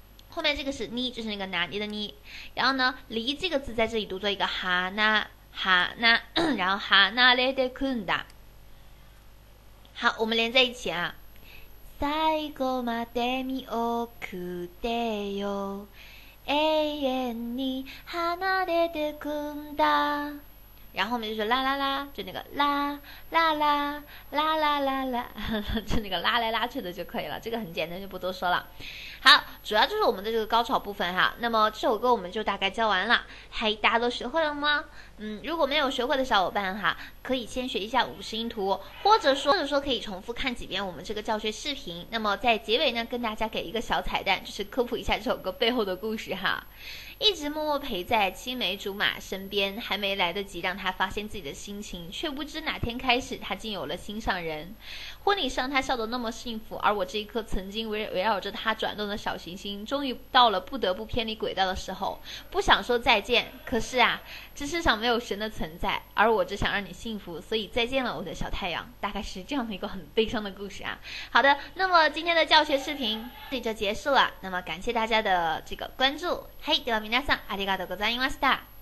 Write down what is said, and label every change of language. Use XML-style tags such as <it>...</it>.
<zh>后面这个是你，就是那个拿捏的你。然后呢，离这个字在这里读作一个哈那哈那，然后哈那勒得困的。好，我们连在一起啊。</zh> <ja>最後まで見送ってよ、永遠に離れてくんだ。</ja> <zh>然后我们就是啦啦啦，就那个啦啦啦啦啦啦啦，就那个拉来拉去的就可以了，这个很简单，就不多说了。好，主要就是我们的这个高潮部分哈。那么这首歌我们就大概教完了，嘿，大家都学会了吗？如果没有学会的小伙伴哈，可以先学一下五十音图，或者说可以重复看几遍我们这个教学视频。那么在结尾呢，跟大家给一个小彩蛋，就是科普一下这首歌背后的故事哈。一直默默陪在青梅竹马身边，还没来得及让他发现自己的心情，却不知哪天开始他竟有了心上人。婚礼上他笑得那么幸福，而我这一颗曾经围绕着他转动的小行星，终于到了不得不偏离轨道的时候，不想说再见，可是啊，这世上没有神的存在，而我只想让你幸福，所以再见了我的小太阳，大概是这样的一个很悲伤的故事啊。好的，那么今天的教学视频这里就结束了，那么感谢大家的这个关注。嘿，</zh> <ja>では皆さんありがとうございました。</ja>